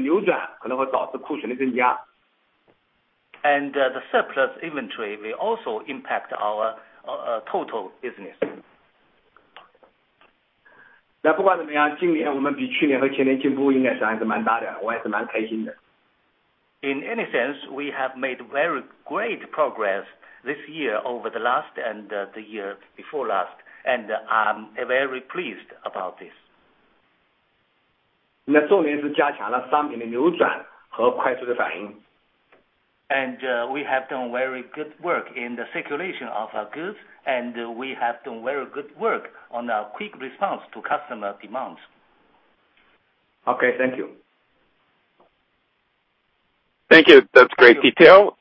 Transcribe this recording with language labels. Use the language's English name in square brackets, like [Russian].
[Chinese] 但是呢，如果说库存多，没有及时的加强我们的商品的流转，可能会导致库存的增加。 [English] And the surplus inventory will also impact our total business. [Chinese] 那不管怎么样，今年我们比去年和前年进步应该是还是蛮大的，我也是蛮开心的。 [English] In any sense, we have made very great progress this year over the last and the year before last, and I'm very pleased about this. [Chinese] 那重点是加强了商品的流转和快速的反应。 [English] And we have done very good work in the circulation of our goods, and we have done very good work on our quick response to customer demands. Okay, thank you. Thank you. That's great detail.